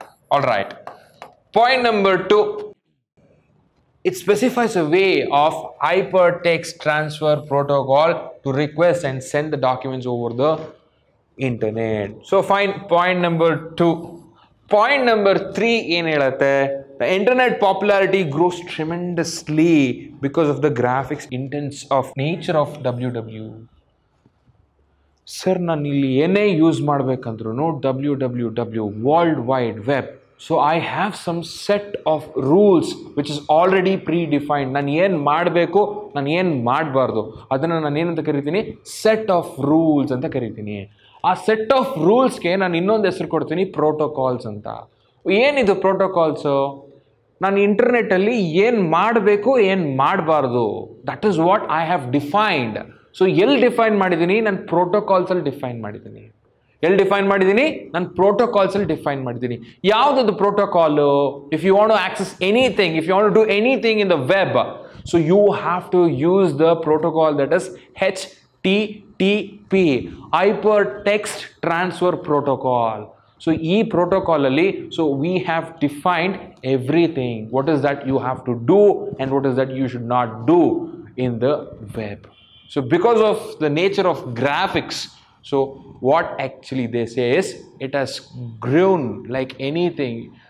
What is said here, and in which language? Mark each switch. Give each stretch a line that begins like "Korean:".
English: All right. Point number two, it specifies a way of hypertext transfer protocol to request and send the documents over the internet. So fine, point number two. Point number three, in helate, the internet popularity grows tremendously because of the graphics intense of nature of WWW.
Kannada: Sir ನಾನು ಇಲ್ಲಿ ಏನೇ use ಮಾಡಬೇಕಂದ್ರೂ WWW world wide web
English: so I have some set of rules which is already predefined
Kannada: ನಾನು ಏನು ಮಾಡಬೇಕು ನಾನು ಏನು ಮಾಡಬಾರ್ದು ಅದನ್ನು ನಾನು ಏನಂತ ಕರಿತೀನಿ ಸೆಟ್ ಆಫ್ ರೂಲ್ಸ್ ಅಂತ ಕರಿತೀನಿ ಆ ಸೆಟ್ ಆಫ್ ರೂಲ್ಸ್ಗೆ ನಾನು ಇನ್ನೊಂದು ಹೆಸರು ಕೊಡ್ತೀನಿ ಪ್ರೋಟೋಕಾಲ್ಸ್ ಅಂತ ಏನಿದು ಪ್ರೋಟೋಕಾಲ್ಸು ನಾನು ಇಂಟರ್ನೆಟ್ಟಲ್ಲಿ ಏನು ಮಾಡಬೇಕು ಏನು ಮಾಡಬಾರ್ದು
English: that is what I have defined so
Kannada: ಎಲ್ಲಿ ಡಿಫೈನ್ ಮಾಡಿದ್ದೀನಿ ನಾನು ಪ್ರೋಟೋಕಾಲ್ಸಲ್ಲಿ ಡಿಫೈನ್ ಮಾಡಿದ್ದೀನಿ ಎಲ್ಲಿ ಡಿಫೈನ್ ಮಾಡಿದ್ದೀನಿ ನಾನು ಪ್ರೋಟೋಕಾಲ್ಸಲ್ಲಿ ಡಿಫೈನ್ ಮಾಡಿದ್ದೀನಿ ಯಾವುದದು protocol
English: if you want to access anything if you want to do anything in the web so you have to use the protocol that is HTTP hypertext transfer protocol So
Kannada: ee protocol alli,
English: so we have defined everything. What is that you have to do and what is that you should not do in the web. So because of the nature of graphics, so what actually they say is it has grown like anything.